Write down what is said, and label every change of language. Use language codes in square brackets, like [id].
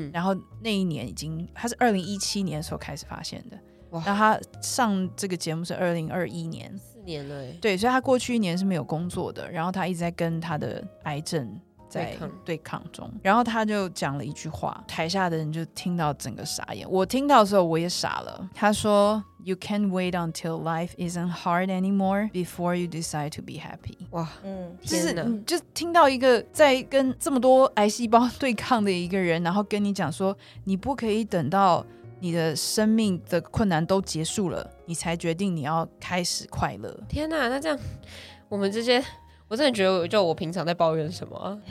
[zh] 然后那一年已经，他是2017年的时候开始发现的。哇，那他上这个节目是2021年， 4年了耶。对，所以他过去一年是没有工作的，然后他一直在跟他的癌症在对抗中。然后他就讲了一句话，台下的人就听到整个傻眼，我听到的时候我也傻了。他说 [en] You can't wait until life isn't hard anymore before you decide to be happy。 [zh] 哇，就是就听到一个在跟这么多癌细胞对抗的一个人，然后跟你讲说你不可以等到你的生命的困难都结束了你才决定你要开始快乐。天哪，那这样我们这些，我真的觉得就我平常在抱怨什么，